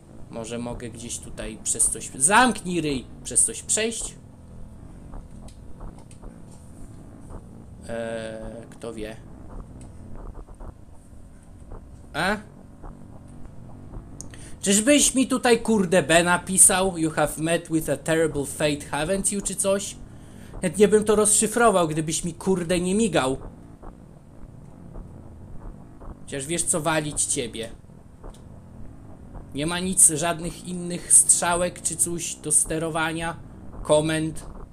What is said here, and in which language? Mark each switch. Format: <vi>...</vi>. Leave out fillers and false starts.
<pl>Może mogę gdzieś tutaj przez coś... Zamknij ryj! Przez coś przejść? Kto wie? A? Czyżbyś mi tutaj kurde B napisał?</pl> <en>You have met with a terrible fate, haven't you?</en> <pl>Czy coś? Chętnie bym to rozszyfrował, gdybyś mi kurde nie migał. Chociaż wiesz co, walić ciebie. Nie ma nic, żadnych innych strzałek czy coś do sterowania? Komend?</pl>